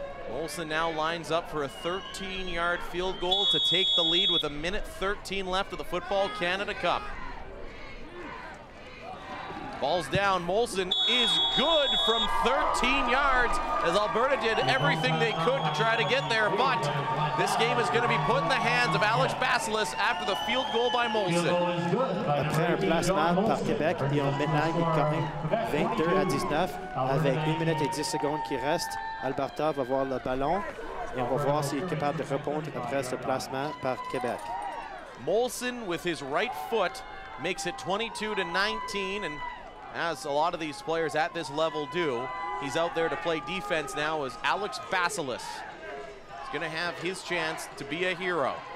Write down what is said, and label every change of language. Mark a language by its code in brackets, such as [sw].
[en] Molson now lines up for a 13-yard field goal to take the lead with a minute 13 left of the Football Canada Cup. Ball's down. Molson is good from 13 yards, as Alberta did everything they could to try to get there, but this game is going to be put in the hands of Alex Basilis after the field goal by Molson. [fr] Après un placement par Québec, ils ont maintenant une corrige 22 à 19 avec 1 minute et 10 secondes qui reste. Alberta va voir le ballon et on va voir s'il est capable de répondre après ce placement par Québec. [en] Molson with his right foot makes it 22 to 19, and as a lot of these players at this level do, he's out there to play defense now, as Alex Basilis is gonna have his chance to be a hero.